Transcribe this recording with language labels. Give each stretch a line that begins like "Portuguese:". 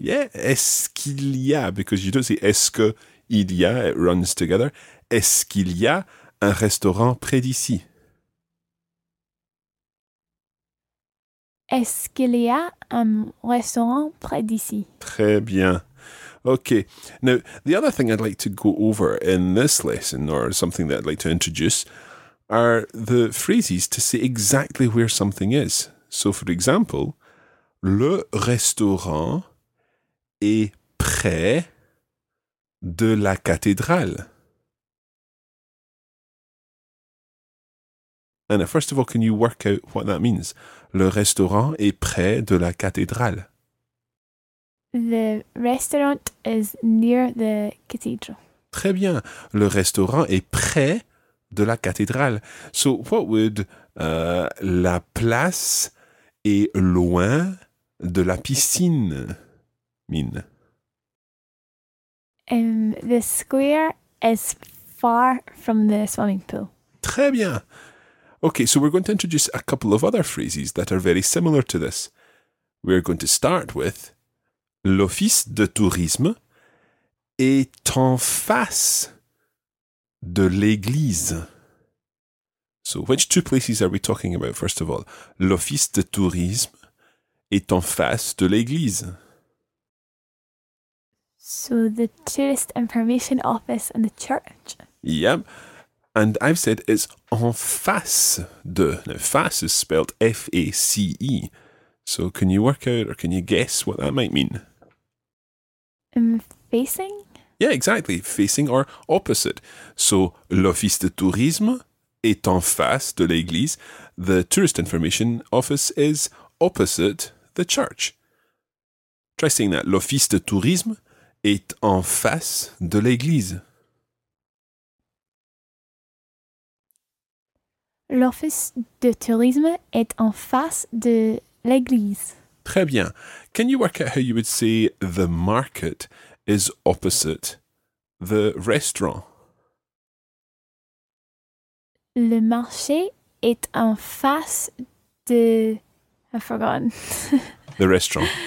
English: Yeah,
French: est-ce qu'il y a?
English: Because you don't say
French: est-ce que il y a,
English: it runs together.
French: Est-ce qu'il y a un restaurant près d'ici? Est-ce qu'il y a un restaurant près d'ici?
English: Très bien. Okay. Now, the other thing I'd like to go over in this lesson, or something that I'd like to introduce, are the phrases to say exactly where something is. So, for example,
French: le restaurant est près de la cathédrale.
English: Anna, first of all, can you work out what that means?
French: Le restaurant est près de la cathédrale.
English: The restaurant is near the cathedral.
French: Très bien. Le restaurant est près de la cathédrale.
English: So, what would
French: la place est loin de la piscine
English: mean? The square is far from the swimming pool.
French: Très bien.
English: Okay, so we're going to introduce a couple of other phrases that are very similar to this. We're going to start with
French: l'office de tourisme est en face de l'église.
English: So which two places are we talking about, first of all?
French: L'office de tourisme est en face de l'église.
English: So the tourist information office and the church. Yep. And I've said it's
French: en face de.
English: Now, face is spelled F-A-C-E. So can you work out or can you guess what that might mean? Facing? Yeah, exactly. Facing or opposite. So
French: l'office de tourisme est en face de l'église.
English: The tourist information office is opposite the church. Try saying that.
French: L'office de tourisme est en face de l'église. L'office de tourisme est en face de l'église. Très bien.
English: Can you work out how you would say the market is opposite the restaurant?
French: Le marché est en face de...
English: I've forgotten. The restaurant.